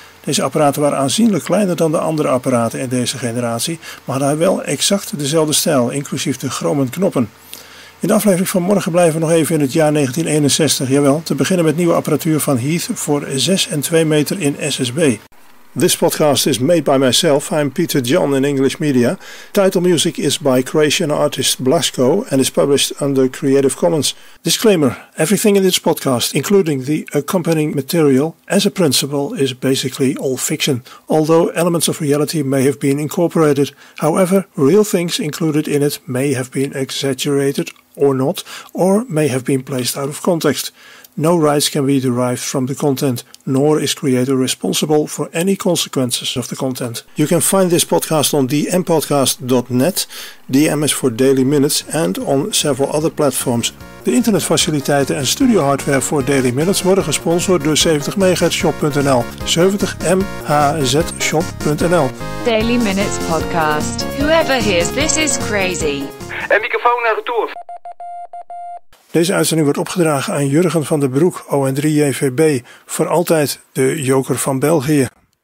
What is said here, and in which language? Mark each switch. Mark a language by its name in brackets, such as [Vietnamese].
[Dutch] Deze apparaten waren aanzienlijk kleiner dan de andere apparaten in deze generatie, maar hadden wel exact dezelfde stijl, inclusief de chromen knoppen. In de aflevering van morgen blijven we nog even in het jaar 1961, jawel, te beginnen met nieuwe apparatuur van Heath voor 6 en 2 meter in SSB. [English] This podcast is made by myself, I'm Peter John in English Media. Title music is by Croatian artist Blasco and is published under Creative Commons. Disclaimer, everything in this podcast, including the accompanying material, as a principle, is basically all fiction, although elements of reality may have been incorporated. However, real things included in it may have been exaggerated or not, or may have been placed out of context. No rights can be derived from the content, nor is creator responsible for any consequences of the content. You can find this podcast on dmpodcast.net, DM is for Daily Minutes, and on several other platforms. [Dutch] De internetfaciliteiten en studio hardware voor Daily Minutes worden gesponsord door 70MHzShop.nl, 70MHzShop.nl. [English] Daily Minutes Podcast. Whoever hears this is crazy. [Dutch] En microfoon naar retour. Deze uitzending wordt opgedragen aan Jurgen van den Broek, ON3JVB, voor altijd de Joker van België.